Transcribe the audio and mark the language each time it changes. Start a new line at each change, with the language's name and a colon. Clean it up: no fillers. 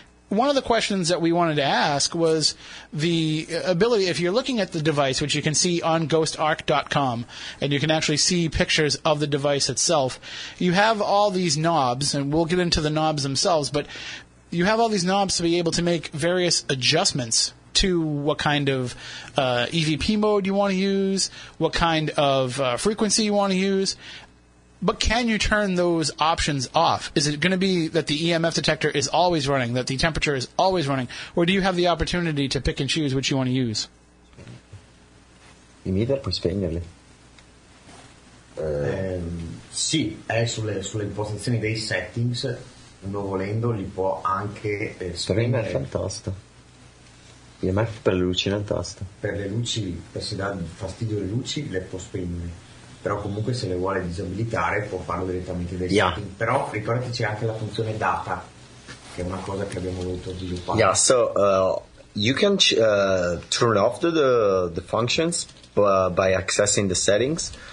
English: One of the questions that we wanted to ask was the ability, if you're looking at the device, which you can see on ghostarc.com, and you can actually see pictures of the device itself, you have all these knobs, and we'll get into the knobs themselves, but you have all these knobs to be able to make various adjustments to what kind of EVP mode you want to use, what kind of frequency you want to use. But can you turn those options off? Is it going to be that the EMF detector is always running, that the temperature is always running, or do you have the opportunity to pick and choose which you want to use?
Italian: In either, puoi spegnerli. Sì, è sulle impostazioni dei settings. Uno volendo li può anche spegnere. Per il tasto. EMF per le luci nel tasto. Per le luci, per se dà fastidio le luci, le può spegnere. Però comunque se le vuole disabilitare può farlo direttamente dai setting. Però ricordati c'è anche la funzione data, che è una cosa che abbiamo voluto sviluppare.
English: Yeah, so you can turn off the functions by accessing the settings.